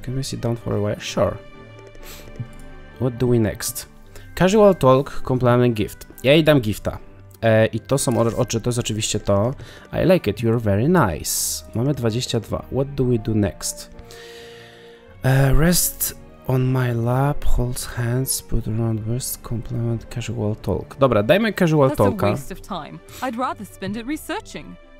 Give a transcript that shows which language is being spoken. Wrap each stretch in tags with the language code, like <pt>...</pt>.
<en>Can we sit down for a while? Sure. What do we next? Casual talk, compliment gift.</en> <pl>Ja jej dam gifta. I to są oczy, to jest oczywiście to.</pl> <en>I like it, you're very nice.</en> <pl>Mamy 22.</pl> <en>What do we do next? Rest on my lap, holds hands, put around wrist, compliment, casual talk.</en> <pl>Dobra, dajmy casual talka.</pl> <en>That's a waste of time. I'd rather spend it researching.</en>